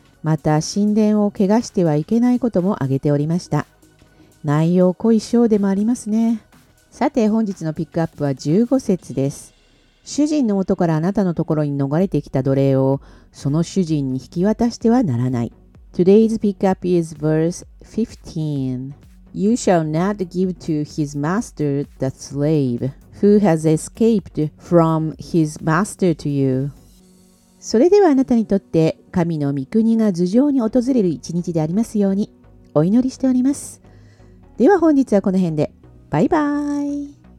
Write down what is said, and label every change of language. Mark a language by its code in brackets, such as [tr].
[ja] また神殿を怪我してはいけないことも挙げておりました。内容濃い章でもありますね。さて本日のピックアップは15節です。主人の元からあなたのところに逃れてきた奴隷をその主人に引き渡してはならない。 [en] Today's pickup is verse 15. You shall not give to his master the slave who has escaped from his master to you. [ja] それではあなたにとって神の御国が頭上に訪れる一日でありますようにお祈りしております。では本日はこの辺で。バイバイ。